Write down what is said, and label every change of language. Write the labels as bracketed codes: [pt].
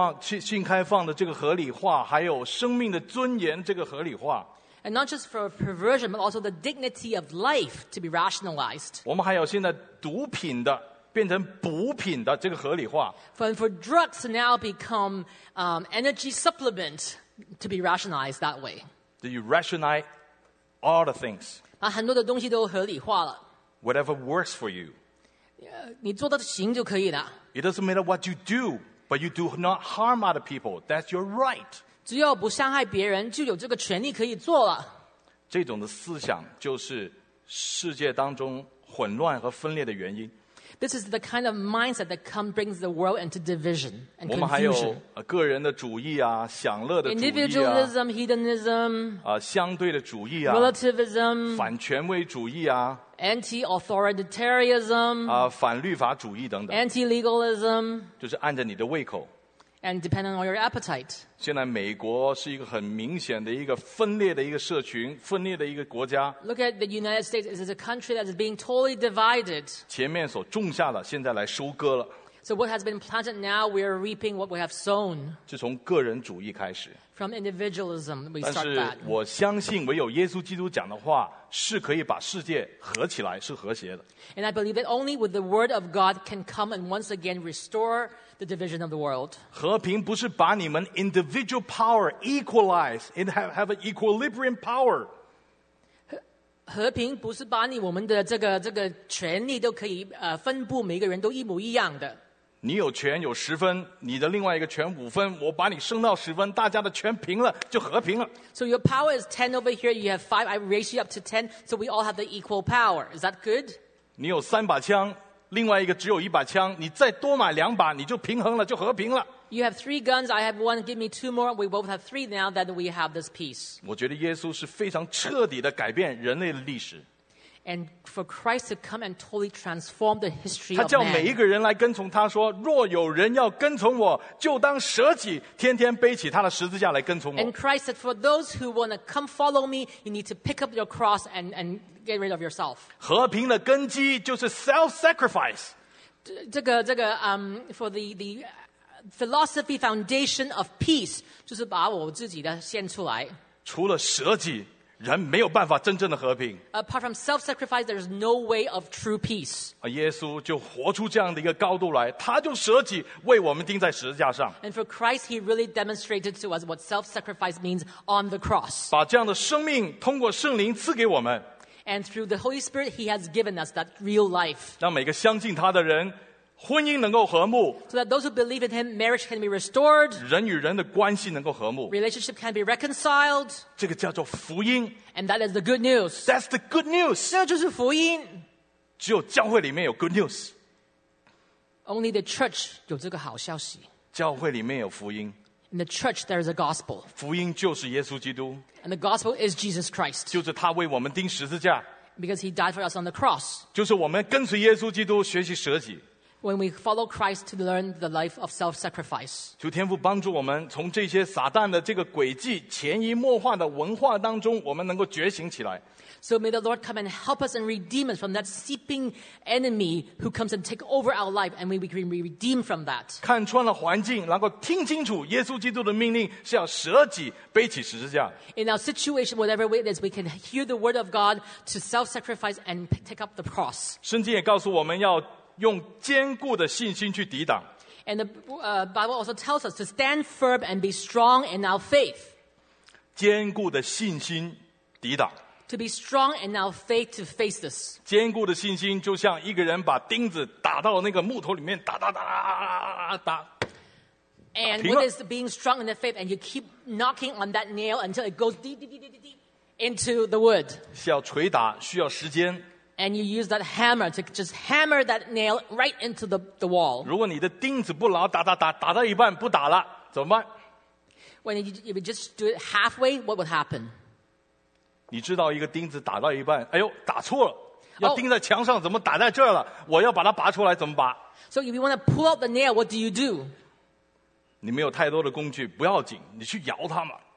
[zh] 性开放的这个合理化，还有生命的尊严这个合理化。 [en] And not just for perversion, but also the dignity of life to be rationalized. [zh] 我们还有现在毒品的变成补品的这个合理化。 [en] For drugs to now become energy supplement to be rationalized that way. Do you rationalize all the things? [zh] 把很多的东西都合理化了。 [en] Whatever works for you. [zh] 你做得行就可以了。 [en] It doesn't matter what you do, but you do not harm other people. That's your right. [zh] 只要不伤害别人，就有这个权利可以做了。这种的思想就是世界当中混乱和分裂的原因。 [en] This is the kind of mindset that brings the world into division and confusion. [zh] 我们还有个人的主义啊，享乐的主义啊。 [en] Individualism, hedonism. [zh] 相对的主义啊。 [en] Relativism. [zh] 反权威主义啊。 [en] Anti-authoritarianism, [zh] 反律法主义等等。 [en] Anti-legalism, [zh] 就是按着你的胃口。 [en] And depending on your appetite. [zh] 现在美国是一个很明显的一个分裂的一个社群，分裂的一个国家。 [en] Look at the United States. It is a country that is being totally divided. [zh] 前面所种下的，现在来收割了。 [en] So what has been planted now, we are reaping what we have sown. [zh] 就从个人主义开始。 [en] From individualism, we start that. [zh] 但是我相信唯有耶稣基督讲的话是可以把世界合起来，是和谐的。 [en] And I believe that only with the word of God can come and once again restore the division of the world. [zh] 和平不是把你们 [en] individual power equalize and have an equilibrium power. [zh] 和平不是把你我们的这个权利都可以分布每个人都一模一样的。你有权有十分，你的另外一个权五分，我把你升到十分，大家的权平了就和平了。 [en] So your power is 10 over here, you have 5, I raise you up to 10, so we all have the equal power. Is that good? [zh] 你有三把枪，另外一个只有一把枪，你再多买两把，你就平衡了，就和平了。 [en] You have 3 guns, I have 1, give me 2 more, we both have 3 now that we have this peace. [zh] 我觉得耶稣是非常彻底的改变人类的历史。 [en] And for Christ to come and totally transform the history of [zh] man. 他叫每一个人来跟从他说，若有人要跟从我，就当舍己，天天背起他的十字架来跟从我。 [en] And Christ said, for those who want to come follow me, you need to pick up your cross and get rid of yourself. [zh] 和平的根基就是 self-sacrifice. 这个 [en] for the philosophy foundation of peace, [zh] 就是把我自己的献出来。除了舍己。人没有办法真正的和平。 [en] Apart from self-sacrifice, there is no way of true peace. [zh] 耶稣就活出这样的一个高度来，他就舍己为我们钉在十字架上。 [en] And for Christ, he really demonstrated to us what self-sacrifice means on the cross. [zh] 把这样的生命通过圣灵赐给我们。 [en] And through the Holy Spirit, he has given us that real life. [zh] 让每个相信他的人婚姻能够和睦 [en] ，so that those who believe in him, marriage can be restored. [zh] 人与人的关系能够和睦 [en] ，relationship can be reconciled. [zh] 这个叫做福音 [en] ，and that is the good news. That's the good news. [zh] 这就是福音。只有教会里面有 [en] good news. Only the church [zh] 有这个好消息。教会里面有福音。 [en] In the church, there is a gospel. [zh] 福音就是耶稣基督。 [en] And the gospel is Jesus Christ. [zh] 就是他为我们钉十字架。 [en] Because he died for us on the cross. [zh] 就是我们跟随耶稣基督学习舍己。 [en] When we follow Christ to learn the life of self-sacrifice. [zh] 求天父帮助我们从这些撒旦的这个诡计潜移默化的文化当中我们能够觉醒起来。 [en] So may the Lord come and help us and redeem us from that seeping enemy who comes and take over our life and we can be redeemed from that. [zh] 看穿了环境然后听清楚耶稣基督的命令是要舍己背起十字架。 [en] In our situation, whatever way it is, we can hear the word of God to self-sacrifice and take up the cross. [zh] 圣经也告诉我们要用坚固的信心去抵挡。 [en] And the Bible also tells us to stand firm and be strong in our faith. [zh] 坚固的信心抵挡。 [en] To be strong in our faith to face this. [zh] 坚固的信心就像一个人把钉子打到那个木头里面，打打打打打。 [en] And what is being strong in the faith? And you keep knocking on that nail until it goes deep, deep, deep, deep, deep into the wood. [zh] 需要捶打，需要时间。 [en] And you use that hammer to just hammer that nail right into the wall. [zh] 如果你的钉子不牢，打打打打到一半不打了，怎么办 [en] ？When if you just do it halfway, what would happen? [zh] 你知道一个钉子打到一半，哎呦，打错了，要钉在墙上，怎么打在这儿了？我要把它拔出来，怎么拔 [en] ？So if you want to pull out the nail, what do you do? [zh] 你没有太多的工具，不要紧，你去摇它嘛。